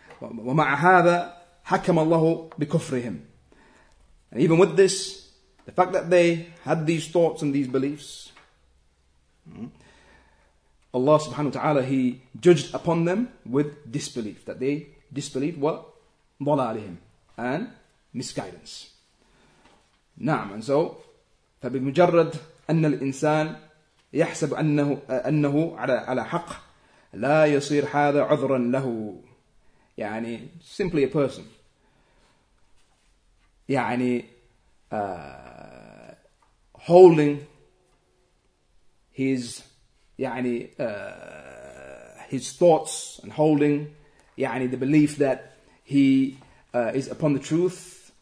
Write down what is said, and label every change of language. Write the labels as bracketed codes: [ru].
[ar] ومع هذا حكم الله بكفرهم. [en] And even with this, the fact that they had these thoughts and these beliefs, Allah subhanahu wa ta'ala, He judged upon them with disbelief, that they disbelieved what? [ar] ضلالهم, [en] and misguidance. [ar] نعم. [en] And so, [ar] فبمجرد أن الإنسان يحسب أنه على حق لا يصير هذا عذرا له. [en] يعني simply a person, يعني holding his, يعني his thoughts, and holding يعني the belief that he is upon the truth.